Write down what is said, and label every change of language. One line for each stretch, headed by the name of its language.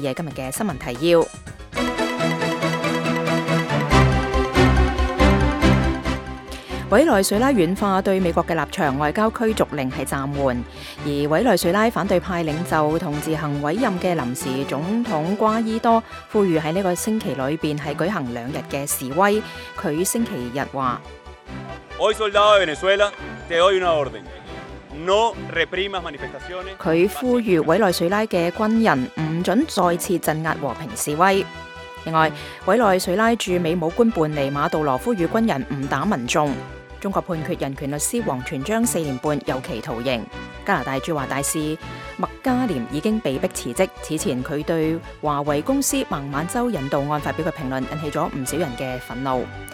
Chinese: 今天的新闻提要，委内瑞拉软化对美国的立场，外交驱逐令是暂缓，而委内瑞拉反对派领袖和自行委任的临时总统瓜伊多呼吁在这个星期里面是举行两日的示威。他星期日说，
Spanish: Hoy soldado de Venezuela, te doy una orden. No reprimas manifestaciones.
Chinese: 他呼吁委内瑞拉的军人不准再次镇压和平示威。另外，委内瑞拉驻美武官叛尼马杜罗呼吁军人不打民众。中国判决人权律师黄全章4年半有期徒刑。加拿大驻华大使麦嘉廉已经被迫辞职，此前他对华为公司孟晚舟人道案发表的评论引起了不少人的愤怒。